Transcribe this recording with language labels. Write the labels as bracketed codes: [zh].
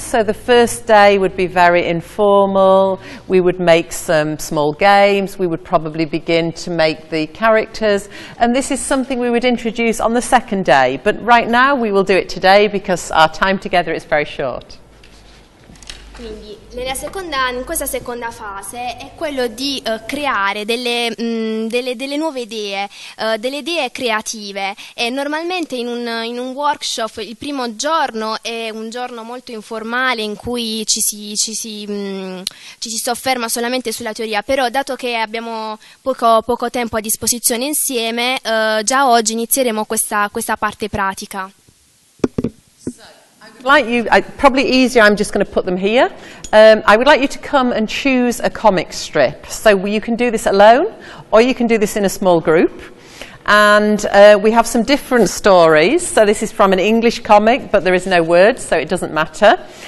[en] So the first day would be very informal. We would make some small games. We would probably begin to make the characters. And this is something we would introduce on the second day. But right now we will do it today because our time together is very short. [it] Quindi in questa seconda fase è quello di creare delle nuove idee, delle idee creative. E normalmente in un workshop il primo giorno è un giorno molto informale in cui ci si sofferma solamente sulla teoria, però dato che abbiamo poco tempo a disposizione insieme, già oggi inizieremo questa parte pratica. [en] Like you, probably easier, I'm just going to put them here. I would like you to come and choose a comic strip. So you can do this alone, or you can do this in a small group. And we have some different stories. So this is from an English comic, but there is no words, so it doesn't matter.